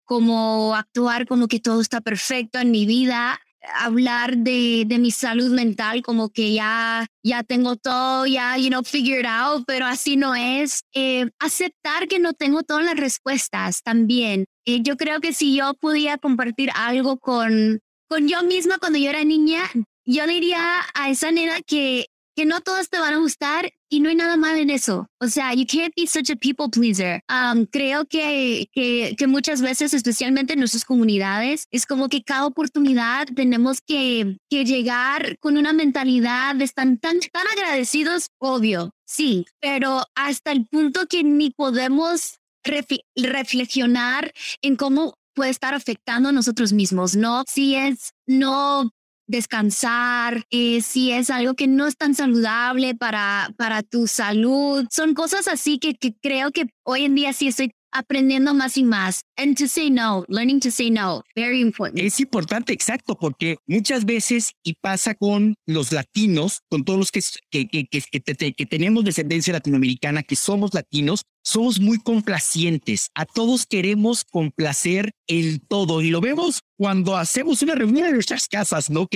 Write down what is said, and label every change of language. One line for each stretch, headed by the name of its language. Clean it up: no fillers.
Spanish: Como actuar como que todo está perfecto en mi vida, hablar de mi salud mental como que ya tengo todo, ya,
English: you know, figured out,
Spanish: pero así no es. Aceptar que no tengo todas las respuestas también. Yo creo que si yo podía compartir algo con yo misma cuando yo era niña, yo diría a esa nena que no todas te van a gustar y no hay nada mal en eso. O sea,
English: you can't be such a people pleaser.
Spanish: Creo que muchas veces, especialmente en nuestras comunidades, es como que cada oportunidad tenemos que llegar con una mentalidad de estar tan agradecidos, obvio, sí, pero hasta el punto que ni podemos reflexionar en cómo puede estar afectando a nosotros mismos, ¿no? Si es no descansar, si es algo que no es tan saludable para tu salud. Son cosas así que creo que hoy en día sí estoy aprendiendo más y más.
English: And to say no, learning to say no, very important.
Spanish: Es importante, exacto, porque muchas veces, y pasa con los latinos, con todos los que tenemos descendencia latinoamericana, que somos latinos, somos muy complacientes. A todos queremos complacer el todo. Y lo vemos cuando hacemos una reunión en nuestras casas, ¿no?